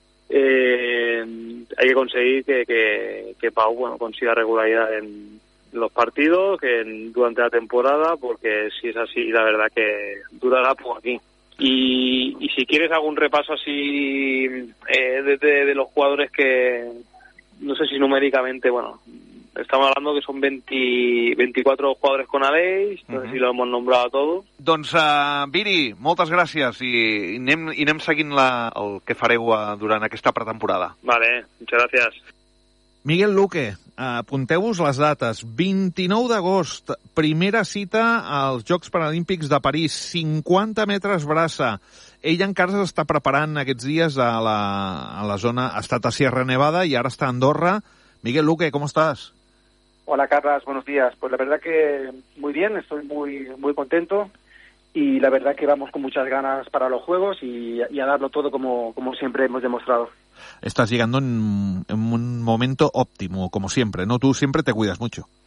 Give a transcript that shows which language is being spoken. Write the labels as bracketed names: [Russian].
[Spanish] Hay que conseguir que Pau, bueno, consiga regularidad en los partidos, que durante la temporada, porque si es así, la verdad que durará por aquí. Y si quieres hago un repaso así de los jugadores que, no sé si numéricamente, bueno, estamos hablando que son 24 jugadores con Aleix, no sé si lo hemos nombrado a todos. [Catalan] Doncs, Viri, moltes gràcies, i anem seguint el que fareu durant aquesta pretemporada. [Spanish] Vale, muchas gracias. [Catalan] Miguel Luque, apunteu-vos les dates. 29 d'agost, primera cita als Jocs Paralímpics de París, 50 metres braça. Ell encara s'està preparant aquests dies a la zona, ha estat a Sierra Nevada i ara està a Andorra. [Spanish] Miguel Luque, ¿cómo estás? Hola, Carles, buenos días. Pues la verdad que muy bien, estoy muy muy contento, y la verdad que vamos con muchas ganas para los Juegos y a darlo todo como siempre hemos demostrado. Estás llegando en un momento óptimo, como siempre, ¿no? Tú siempre te cuidas mucho.